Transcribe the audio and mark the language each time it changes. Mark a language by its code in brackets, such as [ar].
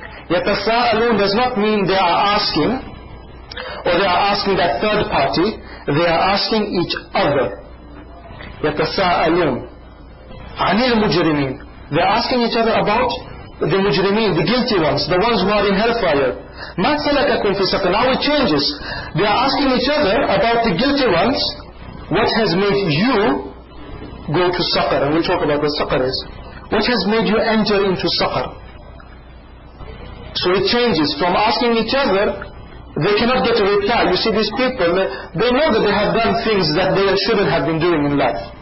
[en] يَتَسَاءَلُونَ does not mean they are asking, or they are asking that third party. They are asking each other. [ar] يَتَسَاءَلُونَ عَنِ الْمُجْرِمِينَ [en] They are asking each other about the mujrimeen, the guilty ones, the ones who are in hellfire. [ar] مَا سَلَكَكُمْ فِي سَقَرَ [en] Now it changes. They are asking each other about the guilty ones, what has made you go to Saqar. And we'll talk about what Saqar is. What has made you enter into Saqar? So it changes. From asking each other, they cannot get a reply. You see, these people, they know that they have done things that they shouldn't have been doing in life.